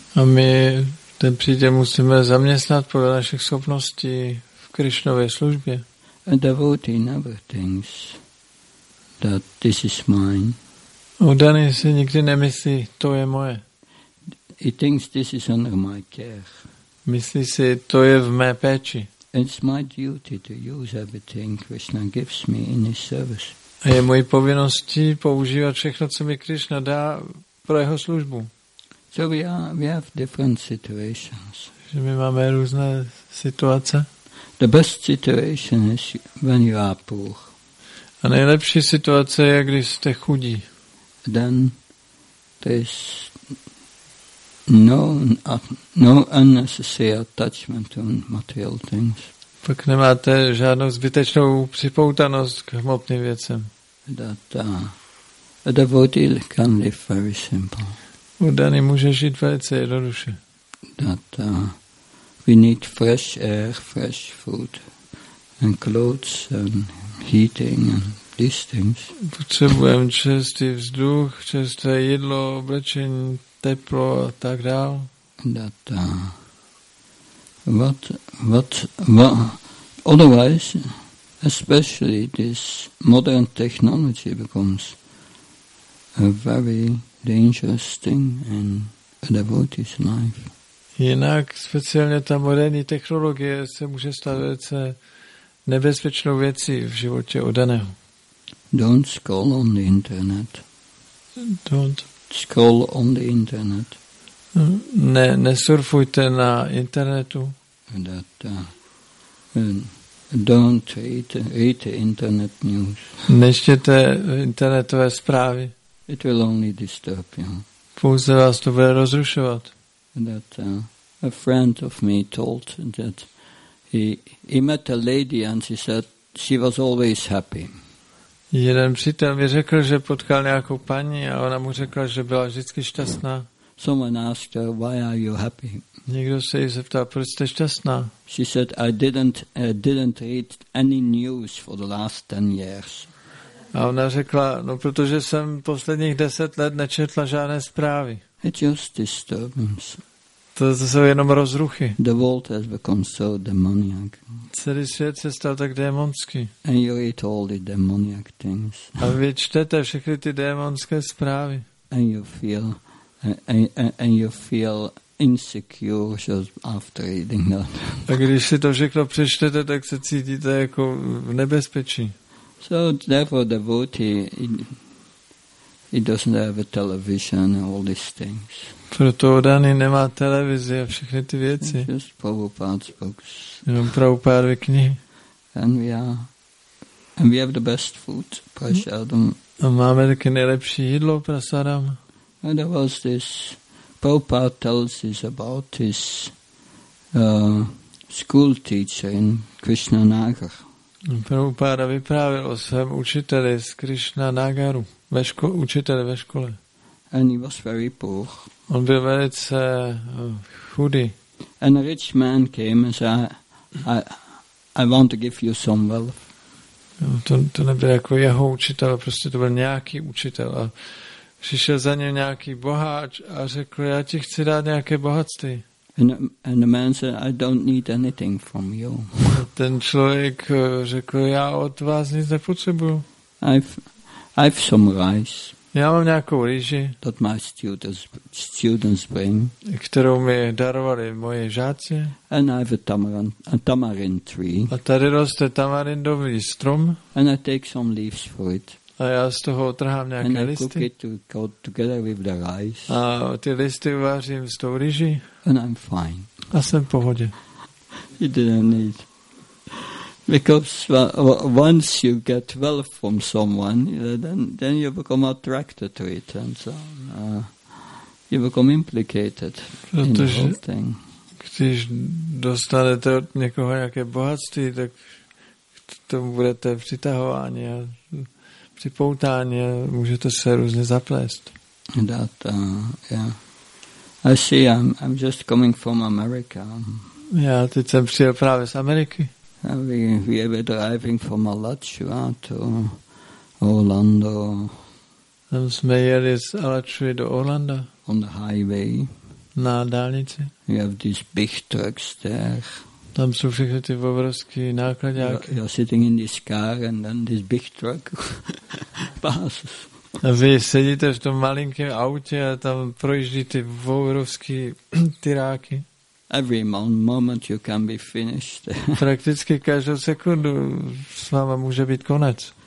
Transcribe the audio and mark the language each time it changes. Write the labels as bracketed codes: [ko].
[cs] A my ten příděl musíme zaměstnat podle našich schopností v Krišnově službě. [en] A devotee never thinks that this is mine. [cs] Oddaný si nikdy nemyslí, to je moje. [en] He thinks this is under my care. [cs] Myslí si, to je v mé péči. [en] It's my duty to use everything Krishna gives me in his service. [cs] A je mojí povinností používat všechno, co mi Krishna dá pro jeho službu. [en] So we have different situations. [cs] Že my máme různé situace. [en] The best situation is when you are poor. [cs] A nejlepší situace je, když jste chudí. [en] Then there's no unnecessary attachment to material things. [cs] Pak nemáte žádnou zbytečnou připoutanost k hmotným věcem. [en] That a devotee can live very simple. [cs] Udany může žít velice jednoduše. [en] That we need fresh air, fresh food, and clothes, and heating, and these things. [cs] Potřebujeme čistý vzduch, čisté jídlo, oblečení, teplo a tak dál. [en] That what otherwise, especially this modern technology becomes a very dangerous thing in a devotee's life. [cs] Jinak speciálně ta moderní technologie se může stát velice nebezpečnou věcí v životě oddaného. [en] Don't scroll on the internet. Don't. Scroll on the internet. [cs] Nesurfujte na internetu. [en] That, don't read the internet news. [cs] Nečtěte internetové zprávy. [en] It will only disturb you. [cs] Pouze vás to bude rozrušovat. [en] That a friend of me told that he met a lady and she said she was always happy. [cs] Jeden přítel mi řekl, že potkal nějakou paní a ona mu řekla, že byla vždycky šťastná. [en] Someone asked her, why are you happy? [cs] Někdo se jí zeptal, proč jste šťastná? [en] She said, I didn't read any news for the last 10 years. [cs] A ona řekla, no protože jsem posledních 10 let nečetla žádné zprávy. [en] It's just disturbance. [cs] To jsou jenom rozruchy. [en] The world has become so demoniac. [cs] Celý svět se stal tak démonský. [en] And you read all the demoniac things. [cs] A vy čtete všechny ty démonské zprávy. [en] And you feel and you feel insecure just after reading that. [cs] A když si to všechno přečtete, tak se cítíte jako v nebezpečí. [en] So therefore devotee He doesn't have a television and all these things. [cs] Proto Odany nemá televizi a všechny ty věci. [en] It's just Prabhupada's books. [cs] Jenom Prabhupádovy knihy. [en] And we have the best food, prasadam. [cs] A máme taky nejlepší jídlo, prasadam. [en] And there was this, Prabhupada tells us about his school teacher in Krishnanagar. [cs] Prabhupada vyprávěl o svém učiteli z Krishnanagaru, učiteli ve škole. [en] And he was very poor. [cs] On byl velice chudý. [en] And a rich man came and said, I want to give you some wealth. [cs] No, to nebyl jako jeho učitel, prostě to byl nějaký učitel. A přišel za ním nějaký boháč a řekl, já ti chci dát nějaké bohatství. [en] And the man said, I don't need anything from you. [cs] Ten člověk řekl, já od vás nic nepotřebuju. [en] I've some rice. [cs] Já mám nějakou rýži. [en] That my students bring. [cs] Kterou mi darovali moje žáci. [en] And I have a tamarind tree. [cs] A tady roste tamarindový strom. [en] And I take some leaves for it. [cs] A já z toho otrhám nějaké [en] and [cs] listy. [en] And I cook it together with the rice. [cs] A ty listy uvařím s tou rýží. [en] And I'm fine. [cs] A jsem v pohodě. [en] You didn't need. Because once you get wealth from someone, then you become attracted to it, and so you become implicated in the whole thing. [cs] Když dostanete od někoho nějaké bohatství, tak tomu budete přitahováni a připoutáni a můžete se různě zaplést. [en] That, yeah. I see, I'm just coming from America. [cs] Já teď jsem přijel právě z Ameriky. [en] We were driving from Alachua to Orlando. [cs] And jsme jeli z Alachua do Orlando. [en] On the highway. [cs] Na dálnici. [en] We have these big trucks there. [cs] Tam jsou všechny ty obrovské nákladňáky. [en] You're sitting in this car and then this big truck passes. [cs] A vy sedíte v tom malinkém autě a tam projíždí ty obrovské tyráky. [en] Every moment you can be finished. [cs] Prakticky každou sekundu s váma může být konec.